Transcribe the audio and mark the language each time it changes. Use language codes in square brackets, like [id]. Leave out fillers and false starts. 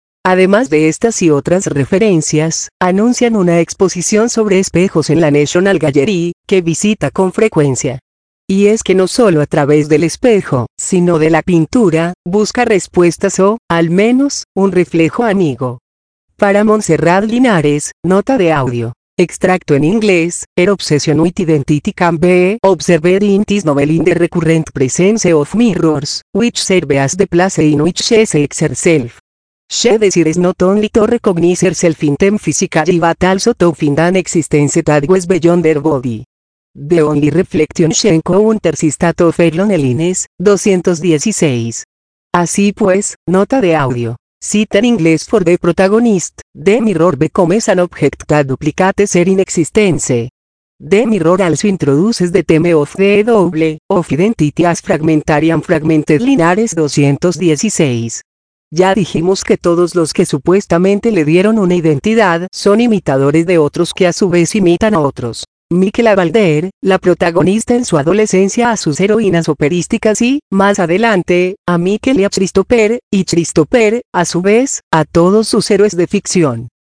[es] Además de estas y otras referencias, anuncian una exposición sobre espejos en la National Gallery, que visita con frecuencia. Y es que no solo a través del espejo, sino de la pintura, busca respuestas o, al menos, un reflejo amigo. Para Montserrat Linares, nota de audio. Extracto en inglés, [en] her obsession with identity can be observed in this novel in the recurrent presence of mirrors, which serve as the place in which she sees herself. She decides not only to recognize herself in them physically but also to find an existence that was beyond her body. The only reflection she encounters is that of her loneliness, 216. [es] Así pues, nota de audio. Cita en inglés [en] for the protagonist, the mirror becomes an object that duplicates her inexistence. The mirror also introduces the theme of the double, of identity as fragmentary and fragmented Linares 216. [es] Ya dijimos que todos los que supuestamente le dieron una identidad son imitadores de otros que a su vez imitan a otros. Miquela Valder, la protagonista en su adolescencia a sus heroínas operísticas y, más adelante, a Miquel y a Christopher, y Christopher, a su vez, a todos sus héroes de ficción.